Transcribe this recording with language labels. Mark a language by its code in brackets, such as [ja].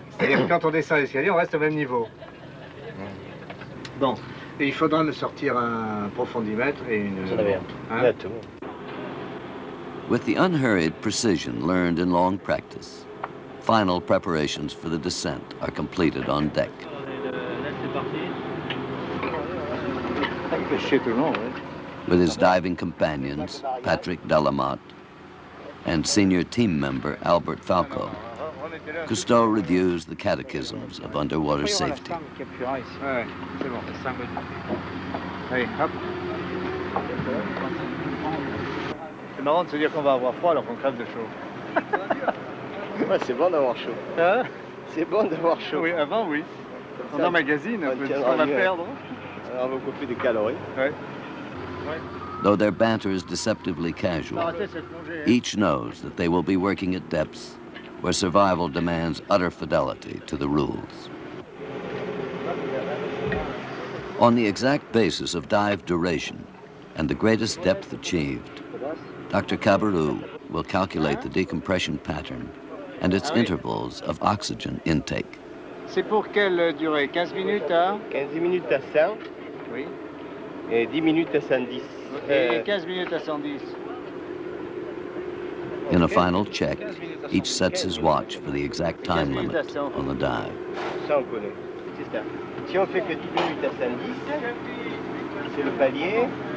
[fr] C'est-à-dire quand on descend l'escalier, on reste au même niveau. Bon. Et il faudra me sortir un profondimètre et une... Ça devient un bateau. [en] With the unhurried precision learned in long practice, final preparations for the descent are completed on deck. With his diving companions, Patrick Delamotte, and senior team member Albert Falco, Cousteau reviews the catechisms of underwater safety. [fr] C'est marrant de se dire qu'on va avoir froid alors qu'on crève de chaud. Ouais, c'est bon d'avoir chaud. Hein? C'est bon d'avoir chaud. Oui, avant, oui. On emmagasine un peu ce qu'on va perdre. On va couper des calories. [en] Though their banter is deceptively casual, each knows that they will be working at depths where survival demands utter fidelity to the rules. On the exact basis of dive duration and the greatest depth achieved, Dr. Cabarrou will calculate the decompression pattern and its intervals of oxygen intake. [fr] C'est pour quelle durée? 15 minutes à? 15 minutes à 100. Oui. Et 10 minutes à 110. Et 15 minutes à 110. [en] In a final check, each sets his watch for the exact time limit on the dive. [fr] Ça, on connaît. C'est ça. Si on fait que 10 minutes à 110, c'est le palier.